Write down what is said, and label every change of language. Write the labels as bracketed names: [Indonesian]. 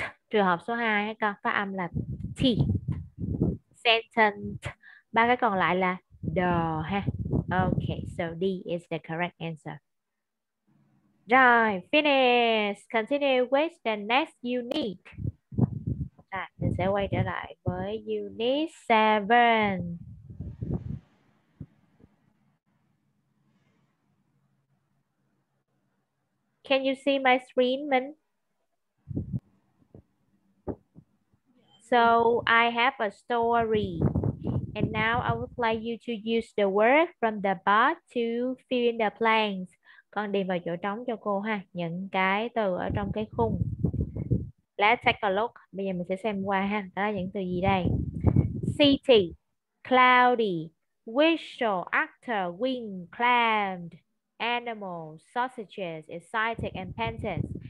[Vietnamese] Trường hợp số 2 các con phát âm là T. Sentence. Ba cái còn lại là the ha. [English] Okay, so D is the correct answer. Rồi, finish. Continue with the next unit. [Vietnamese] À, mình sẽ quay trở lại với unit 7. [English] Can you see my screen, Minh? So I have a story, and now I would like you to use the word from the bot to fill in the blanks. [Vietnamese] Con điền vào chỗ trống cho cô ha, những cái từ ở trong cái khung. [English] Let's take a look. [Vietnamese] Bây giờ mình sẽ xem qua ha, đó là những từ gì đây. [English] City, cloudy, whistle, actor, wind, clammed, animal, sausages, excited, and panted.